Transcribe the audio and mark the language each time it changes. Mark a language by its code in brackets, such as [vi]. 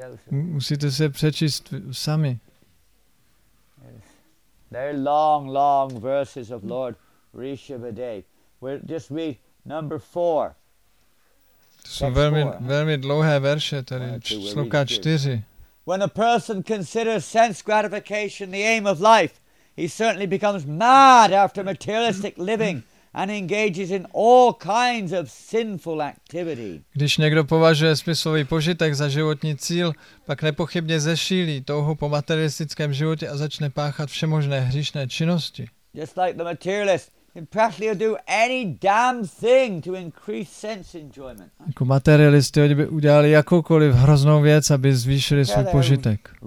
[cs] Musíte si je přečíst sami. [en] They're long verses of Lord Rishabhadev. We'll just read number 4. [cs] To jsou velmi dlouhé verše, tady sloka 4. [en] When a person considers sense gratification the aim of life, he certainly becomes mad after materialistic living. and engages in all kinds of sinful activity. [cs] Když někdo považuje smyslový požitek za životní cíl, pak nepochybně zešílí touhu po materialistickém životě a začne páchat všemožné hříšné činnosti. [en] Just like the materialist, he practically will do any damn thing to increase sense enjoyment. Jako materialisty, oni by udělali jakoukoliv hroznou věc, aby zvýšili svůj požitek.